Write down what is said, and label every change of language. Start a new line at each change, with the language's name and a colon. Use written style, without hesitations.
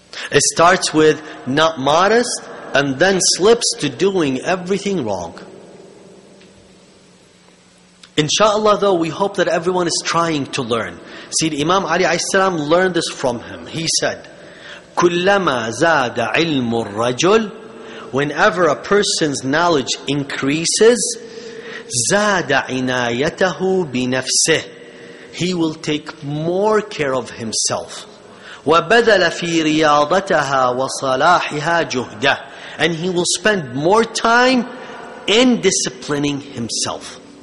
English: It starts with not modest and then slips to doing everything wrong. Inshallah though, we hope that everyone is trying to learn. See, Imam Ali alayhi salam learned this from him. He said,
Arabic: كُلَّمَا زَادَ عِلْمُ الرَّجُلِ.
English: Whenever a person's knowledge increases,
Arabic: زَادَ عِنَايَتَهُ بِنَفْسِهِ.
English: He will take more care of himself.
Arabic: وَبَذَلَ فِي رِيَاضَتَهَا وَصَلَاحِهَا جُهْدَهُ.
English: And he will spend more time in disciplining himself.